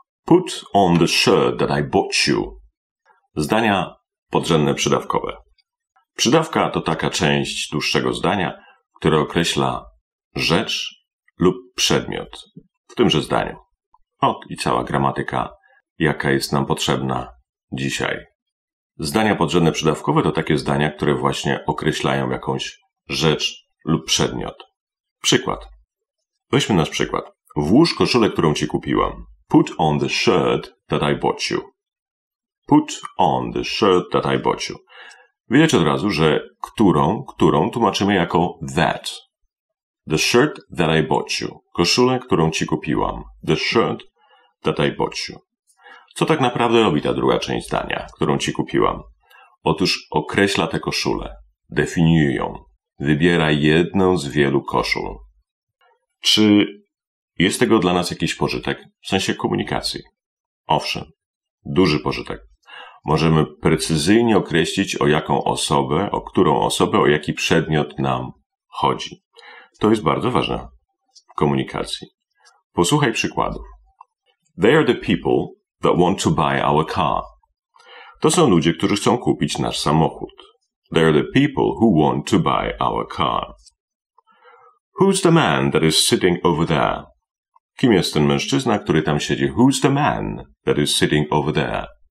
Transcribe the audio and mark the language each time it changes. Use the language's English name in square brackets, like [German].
[English] Put on the shirt that I bought you. [Polish] Zdania podrzędne przydawkowe. Przydawka to taka część dłuższego zdania, która określa rzecz lub przedmiot w tymże zdaniu. Ot i cała gramatyka, jaka jest nam potrzebna dzisiaj. Zdania podrzędne przydawkowe to takie zdania, które właśnie określają jakąś rzecz lub przedmiot. Przykład. Weźmy nasz przykład. Włóż koszulę, którą ci kupiłam. [English] Put on the shirt that I bought you. Put on the shirt that I bought you. [Polish] Wiecie od razu, że którą tłumaczymy jako that. [English] The shirt that I bought you. [Polish] Koszulę, którą ci kupiłam. [English] The shirt that I bought you. [Polish] Co tak naprawdę robi ta druga część zdania, którą ci kupiłam? Otóż określa tę koszulę. Definiuje ją. Wybiera jedną z wielu koszul. Czy jest tego dla nas jakiś pożytek w sensie komunikacji? Owszem, duży pożytek. Możemy precyzyjnie określić, o jaką osobę, o którą osobę, o jaki przedmiot nam chodzi. To jest bardzo ważne w komunikacji. Posłuchaj przykładów. [English] They are the people that want to buy our car. [Polish] To są ludzie, którzy chcą kupić nasz samochód. [English] They are the people who want to buy our car. Who's the man that is sitting over there? [Polish] Kim jest ten mężczyzna, który tam siedzi? [English] Who's the man that is sitting over there?